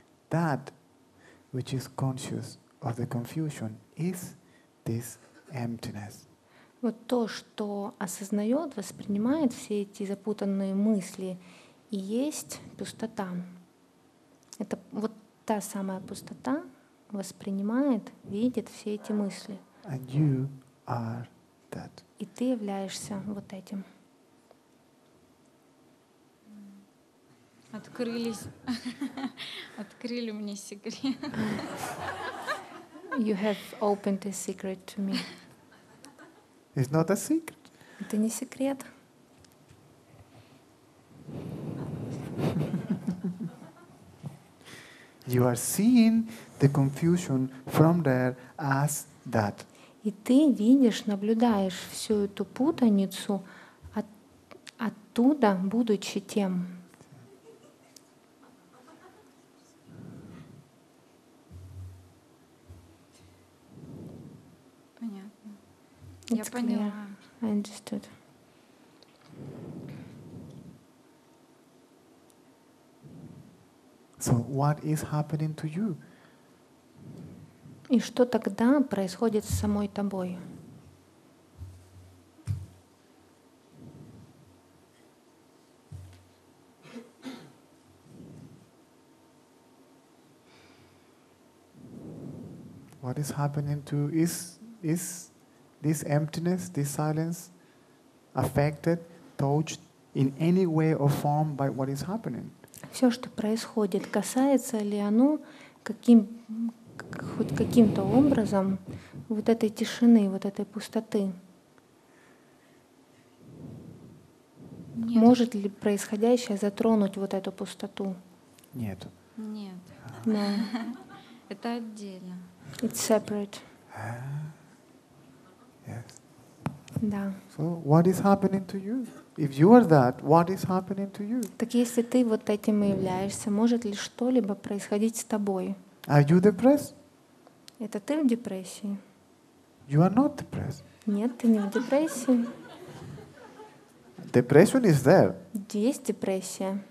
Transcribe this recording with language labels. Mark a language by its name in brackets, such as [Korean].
[English] That which is conscious of the confusion is this emptiness. [Russian] Вот то, что осознает, воспринимает все эти запутанные мысли, и есть пустота. Это вот та самая пустота воспринимает, видит все эти мысли. [English] And you are that. [Russian] И ты являешься вот этим. Открыли мне секрет. [English] You have opened a secret to me. It's not a secret. [Russian] Это не секрет. [English] You are seeing the confusion from there as that. [Russian] И ты видишь, наблюдаешь всю эту путаницу оттуда, будучи тем. Понятно. [English] It's clear. I understood. So what is happening to you? [Russian] И что тогда происходит с самой тобой? [English] What is happening to is this emptiness, this silence affected, touched in any way or form by what is happening? [Russian] Все, что происходит, касается ли оно каким, хоть каким-то образом вот этой тишины, вот этой пустоты? Нет. Может ли происходящее затронуть вот эту пустоту? Нет. Нет. Да. Это отдельно. [English] It's separate. Yes. [Russian] Да. [English] So what is happening to you? If you are that, what is happening to you? [Russian] Так если ты вот этим и являешься, может ли что-либо происходить с тобой? [English] Are you depressed? [Russian] Это ты в депрессии? [English] You are not depressed. [Russian] Нет, ты не в депрессии. [English] Depression is there. [Russian] Есть депрессия.